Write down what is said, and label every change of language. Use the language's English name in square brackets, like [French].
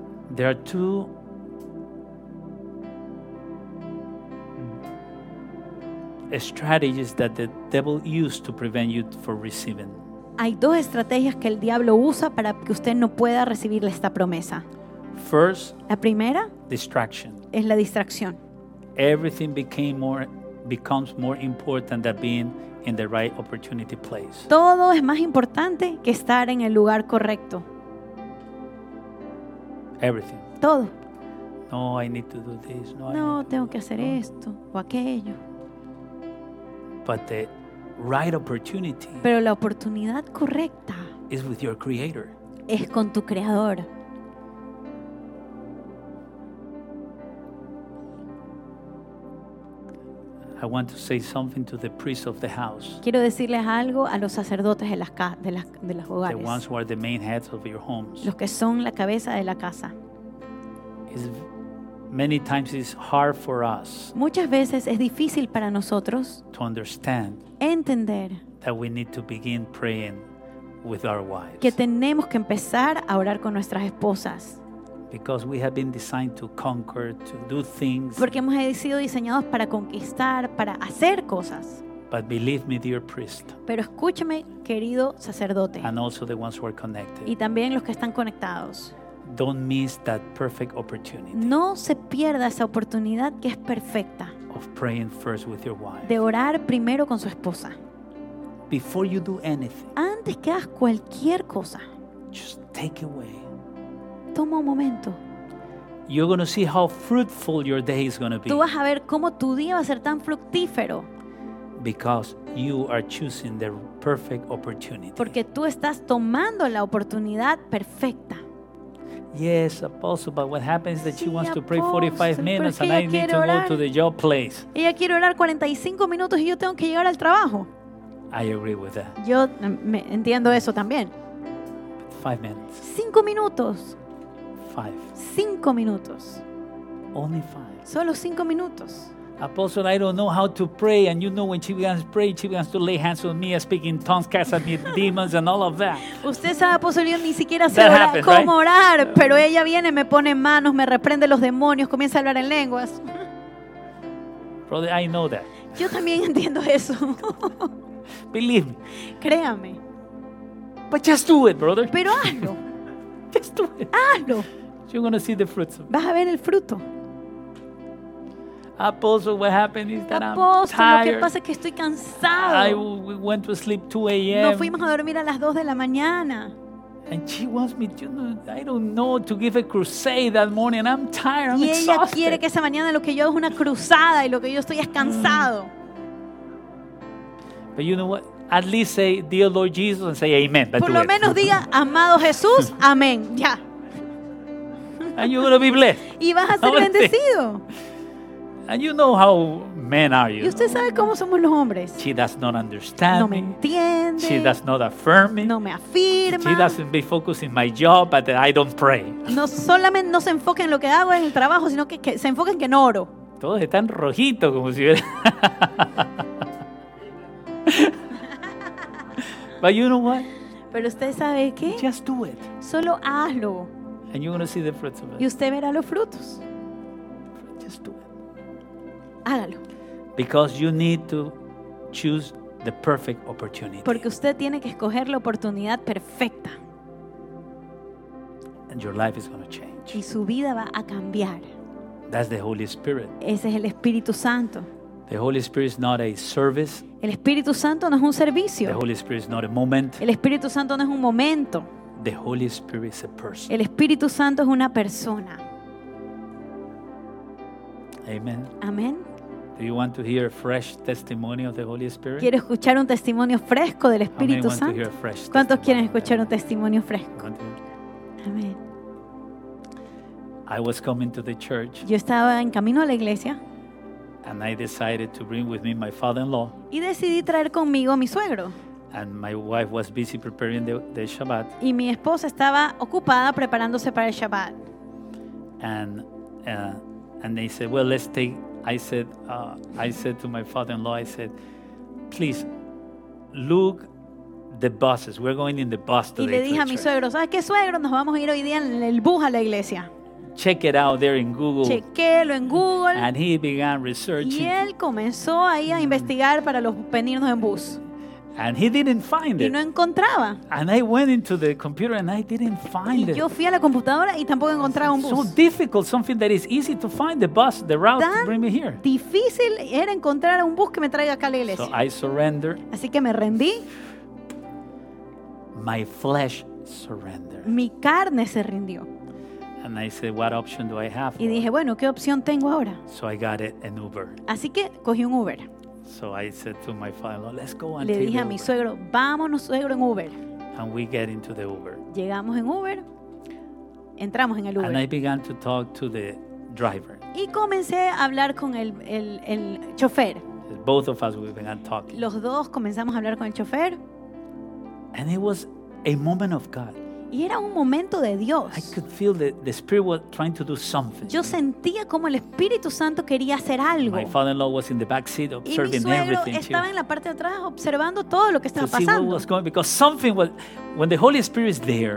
[English] There are two strategies that the devil used to prevent you from receiving. [Spanish] Hay dos estrategias que el diablo usa para que usted no pueda recibir esta promesa. [English] First, [Spanish] la primera, [English] distraction. [Spanish] Es la distracción. [English] Everything becomes more important than being in the right opportunity place. [Spanish] Todo es más importante que estar en el lugar correcto. [English] Everything. [Spanish] Todo. [English] No, I need to do this. No, [Spanish] no [English] I need [Spanish] tengo [English] to [Spanish] que hacer no. esto o aquello. [English] But the right opportunity. [Spanish] Pero la oportunidad correcta [English] is with your creator. [Spanish] Es con tu creador. [English] I want to say something to the priests of the house. [Spanish] Quiero decirles algo a los sacerdotes de las hogares. [English] The ones who are the main heads of your homes. [Spanish] Los que son la cabeza de la casa. [English] Many times it's hard for us. [Spanish] Muchas veces es difícil para nosotros. [English] To understand. [Spanish] Entender. [English] That we need to begin praying with our wives. [Spanish] Que tenemos que empezar a orar con nuestras esposas. [English] Because we have been designed to conquer, to do things. [Spanish] Porque hemos sido diseñados para conquistar, para hacer cosas. [English] But believe me, dear priest. [Spanish] Pero escúchame, querido sacerdote. [English] And also the ones who are connected. [Spanish] Y también los que están conectados. [English] Don't miss that perfect opportunity. [Spanish] No se pierda esa oportunidad que es perfecta. [English] Of praying first with your wife. [Spanish] De orar primero con su esposa. [English] Before you do anything. [Spanish] Antes que hagas cualquier cosa. [English] Just take away. [Spanish] Toma un momento. [English] You're going to see how fruitful your day is going to be. [Spanish] Tú vas a ver cómo tu día va a ser tan fructífero. [English] Because you are choosing the perfect opportunity. [Spanish] Porque tú estás tomando la oportunidad perfecta. [English] Yes, apostle, but what happens is that [Spanish] sí, [English] she wants apostle, to pray 45 minutes and I need to [Spanish] orar. [English] Go to the job place. [Spanish] Ella quiere orar 45 minutos y yo tengo que llegar al trabajo. [English] I agree with that. [Spanish] Yo entiendo eso también. [English] 5 minutes. [Spanish] 5 minutos. [English] 5. [Spanish] 5 minutos. [English] Only 5. [Spanish] Solo 5 minutos. [English] Apostle, I don't know how to pray, and you know when she begins to pray, she begins to lay hands on me, speaking tongues, casting me demons, and all of that. [Spanish] Usted sabe, apóstol, yo ni siquiera sé cómo orar, pero ella viene, me pone manos, me reprende los demonios, comienza a hablar en lenguas. [English] Brother, I know that. [Spanish] Yo también entiendo eso. [English] Believe me. [Spanish] Créame. [English] But just do it, brother. [Spanish] Pero hazlo. [English] Just do it. [Spanish] Hazlo. [English] You're gonna see the fruits. [Spanish] Vas a ver el fruto. [English] Apostle, what happened is that apostle, I'm tired. [Spanish] Lo que pasa es que estoy cansado. [English] We went to sleep 2 a.m. [Spanish] No fuimos a dormir a las 2 de la mañana. [English] And she wants me to, I don't know, to give a crusade that morning. And I'm tired, I'm exhausted. [Spanish] Y ella quiere que esa mañana lo que yo es una cruzada y lo que yo estoy es cansado. [English] But you know what? At least say, dear Lord Jesus, and say amen. [Spanish] Por lo menos diga, amado Jesús, amén. Ya. [English] And you're going to be blessed. [Spanish] Y vas a ser bendecido. [English] And you know how men are, you know? [Spanish] Y usted sabe cómo somos los hombres. [English] She does not understand me. [Spanish] No me entiende. [English] She does not affirm me. [Spanish] No me afirma. [English] She doesn't be focused in my job, but I don't pray. [Spanish] No solamente no se enfoca en lo que hago en el trabajo, sino que se enfoca en que no oro. Todos están rojitos como si hubiera... [English] But you know what? [Spanish] Pero usted sabe qué? [English] Just do it. [Spanish] Solo hazlo. [English] And you're going to see the fruits of it. [Spanish] Y usted verá los frutos. [English] Just do it. [Spanish] Hágalo. [English] Because you need to choose the perfect opportunity. [Spanish] Porque usted tiene que escoger la oportunidad perfecta. [English] And your life is going to change. [Spanish] Y su vida va a cambiar. [English] That's the Holy Spirit. [Spanish] Ese es el Espíritu Santo. [English] The Holy Spirit is not a service. [Spanish] El Espíritu Santo no es un servicio. [English] The Holy Spirit is not a moment. [Spanish] El Espíritu Santo no es un momento. [English] The Holy Spirit is a person. [Spanish] El Espíritu Santo es una persona. [English] Amen. [Spanish] Amen. [English] Do you want to hear a fresh testimony of the Holy Spirit? [Spanish] ¿Quieres escuchar un testimonio fresco del Espíritu Santo? [English] Want to hear a fresh [Spanish] ¿Cuántos [English] testimony? [Spanish] Quieren escuchar un testimonio fresco? Amen. [English] I was coming to the church. [Spanish] Yo estaba en camino a la iglesia. [English] And I decided to bring with me my father-in-law. [Spanish] Y decidí traer conmigo a mi suegro. [English] And my wife was busy preparing the Shabbat. [Spanish] Y mi esposa estaba ocupada preparándose para el Shabbat. [English] And they said, well, let's take. I said to my father-in-law, I said, please look the buses. We're going in the bus today. [Spanish] Y le dije a mi suegro, ¿sabes qué, suegro? Nos vamos a ir hoy día en el bus a la iglesia. [English] Check it out there in Google. [Spanish] Chequéelo en Google. [English] And he began researching. [Spanish] Y él comenzó ahí a investigar para los venirnos en bus. [English] And he didn't find it. [Spanish] Y no encontraba. [English] And I went into the computer and I didn't find it. [Spanish] Y yo fui a la computadora y tampoco encontraba un bus. [English] So difficult, something that is easy to find the bus, the route [Spanish] Tan [English] to bring me here. [Spanish] Difícil era encontrar un bus que me traiga acá a la iglesia. [English] So I surrendered. [Spanish] Así que me rendí. [English] My flesh surrendered. [Spanish] Mi carne se rindió. [English] And I said, what option do I have? [Spanish] Y dije, bueno, ¿qué opción tengo ahora? [English] So I got it, an Uber. [Spanish] Así que cogí un Uber. [English] So I said to my father-in-law, let's go and [Spanish] Le dije a mi suegro, vámonos suegro en Uber. [English] And we get into the Uber. [Spanish] Llegamos en Uber. Entramos en el Uber. [English] And I began to talk to the driver. [Spanish] Y comencé a hablar con el chofer. [English] Both of us, we began talking. [Spanish] Los dos comenzamos a hablar con el chofer. [English] And it was a moment of God. [Spanish] Y era un momento de Dios. [English] I could feel the Spirit was trying to do something. [Spanish] Yo sentía como el Espíritu Santo quería hacer algo. [English] My father-in-law was in the back seat observing [Spanish] y mi suegro [English] everything [Spanish] estaba [English] too. [Spanish] En la parte de atrás observando todo lo que estaba [English] to see [Spanish] pasando. [English] What was going, because something was, when the Holy Spirit is there,